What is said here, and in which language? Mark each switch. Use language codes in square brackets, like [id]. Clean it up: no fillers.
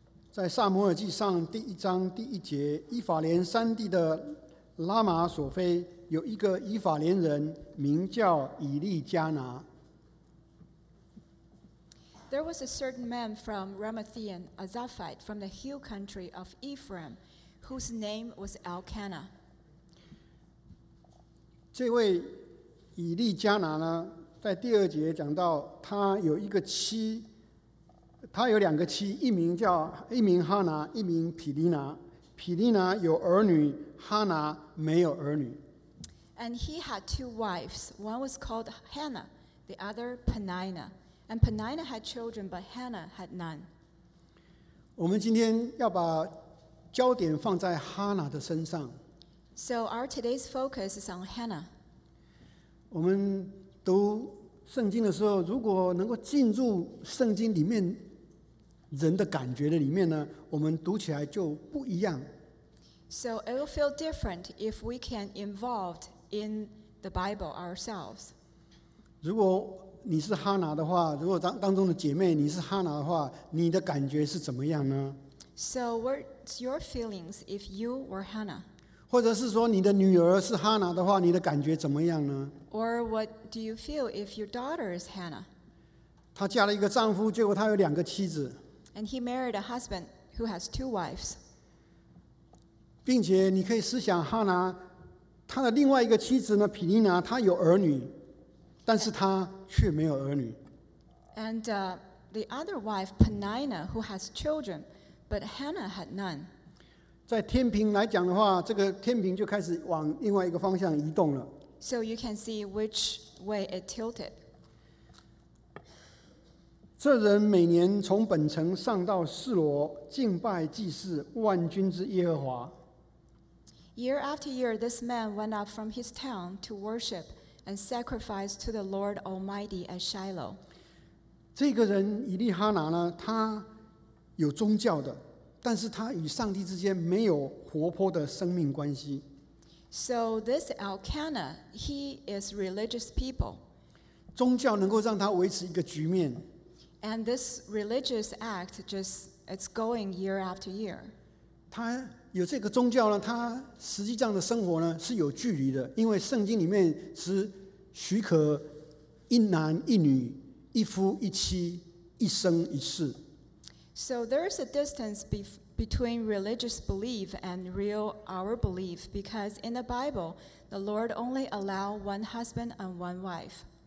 [zh] 在撒母耳记上第一章第一节，以法莲三地的拉玛所非有一个以法莲人，名叫以利加拿。 [en] There was a certain man from Ramathaim, a Zaphite from the hill country of Ephraim, whose name was Elkanah. [zh] 这位以利加拿呢，在第二节讲到他有一个妻。他有两个妻，一名叫一名哈拿，一名皮利拿。皮利拿有儿女，哈拿没有儿女。 [en] And he had two wives. One was called Hannah, the other Peninnah. And Peninnah had children, but Hannah had none. [zh] 我们今天要把焦点放在哈拿的身上。 [en] So our today's focus is on Hannah. [zh] 我们读圣经的时候，如果能够进入圣经里面人的感觉的里面呢，我们读起来就不一样。 [en] So it will feel different if we can involved in the Bible ourselves. [zh] 如果你是哈拿的话，如果当中的姐妹你是哈拿的话，你的感觉是怎么样呢 [en] ？So what's your feelings if you were Hannah? [zh] 或者是说你的女儿是哈拿的话，你的感觉怎么样呢 [en] ？Or what do you feel if your daughter is Hannah? [zh] 她嫁了一个丈夫，结果她有两个妻子。 [en] And he married a husband who has two wives. [zh] 并且你可以思想哈拿，他的另外一个妻子呢，皮利拿，他有儿女，但是他却没有儿女。 [en] And the other wife, Peninnah, who has children, but Hannah had none. [zh] 在天平来讲的话，这个天平就开始往另外一个方向移动了。 [en] So you can see which way it tilted. [zh] 这人每年从本城上到示罗敬拜祭祀万军之耶和华。 [en] Year after year, this man went up from his town to worship and sacrifice to the Lord Almighty at Shiloh. [zh] 这个人以利哈拿呢，他有宗教的，但是他与上帝之间没有活泼的生命关系。 [en] So this Elkanah, he is religious people. [zh] 宗教能够让他维持一个局面。 [en] And this religious act just it's going year after year. [zh] 他有这个宗教呢，他实际上的生活呢是有距离的，因为圣经里面只许可一男一女、一夫一妻、一生一世。 [en] So there's a distance between religious belief and real our belief because in the Bible, the Lord only allow one husband and one wife.